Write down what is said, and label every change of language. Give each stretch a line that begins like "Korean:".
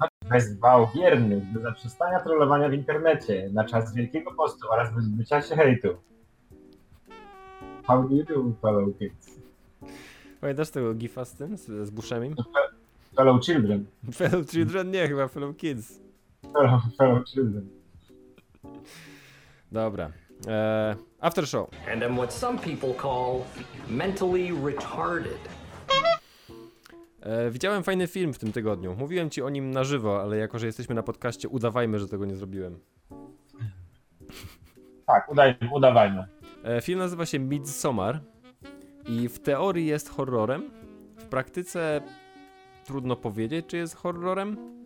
Polish: Wezwał wiernych do zaprzestania trollowania w internecie na czas Wielkiego Postu oraz wyzbycia się hejtu.
English: How do you do, fellow kids?
Polish: Pamiętasz tego gifa z tym, z Buscemim?
English: Fellow children. Fellow children?
Polish: Nie, chyba
English: fellow kids. Fellow children. Dobra. After show. And I'm what some people call mentally retarded.
Polish: Widziałem fajny film w tym tygodniu. Mówiłem ci o nim na żywo, ale jako, że jesteśmy na podcaście, udawajmy, że tego nie zrobiłem. Tak, udawajmy. Film nazywa się Midsommar. I w teorii jest horrorem, w praktyce trudno powiedzieć, czy jest horrorem.